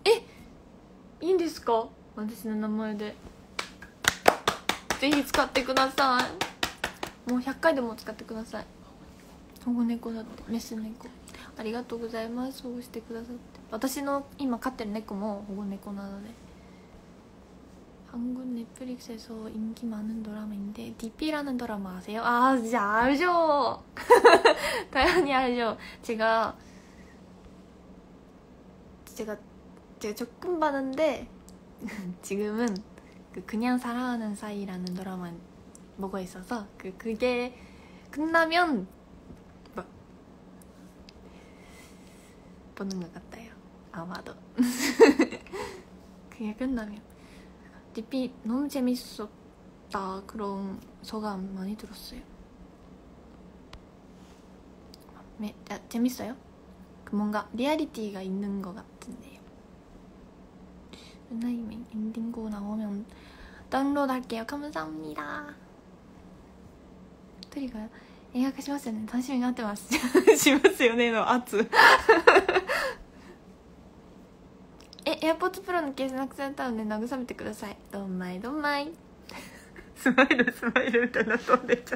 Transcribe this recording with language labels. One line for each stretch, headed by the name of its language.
Japanese: え、いいんですか、私の名前でぜひ使ってください。もう100回でも使ってください。保護猫だって、メス猫。ありがとうございます、保護してくださって。私の今飼ってる猫も保護猫なので。
Korean: 한국넷플릭스에서인기많은드라마인데 DP 라는드라마아세요? 아진짜알죠 당연히알죠. 제가조금봤는데 지금은 그, 그냥사랑하는사이라는드라마보고있어서 그게 끝나면 보는 것 같아요. 아마도 그게 끝나면DP 너무재밌었다그런소감많이들었어요. 재밌어요? 뭔가 리아리티가 있는 것 같은데요. 루나님 엔딩 곡 나오면 다운로드할게요. 감사합니다. 트리가 예약
Japanese: しますよね? 楽しみになってます。しますよね?の圧。え、エアポッツプロのケースなくされたので慰めてください。どんまいどんまい。スマイルスマイルみたいな飛んでっちゃ